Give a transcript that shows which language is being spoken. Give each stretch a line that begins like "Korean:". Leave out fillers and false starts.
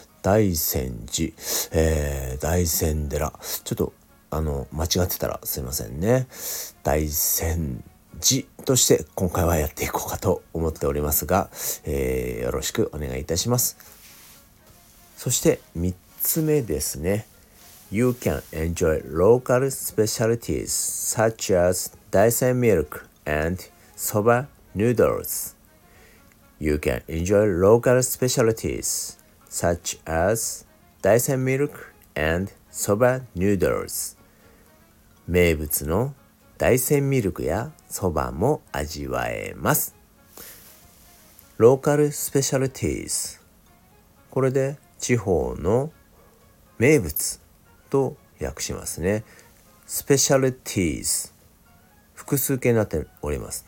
Japanese: 大山寺、大山寺、ちょっと間違ってたらすいませんね。大山寺として今回はやっていこうかと思っておりますが、よろしくお願いいたします。そして3つ目ですね。
English: You can enjoy local specialties such as Daisen milk and soba noodles. You can enjoy local specialties such as Daisen milk and soba noodles.
Japanese: 名物の大山ミルクやそばも味わえます。ローカルスペシャルティーズ、これで地方の名物と訳しますね。スペシャルティーズ、複数形になっております。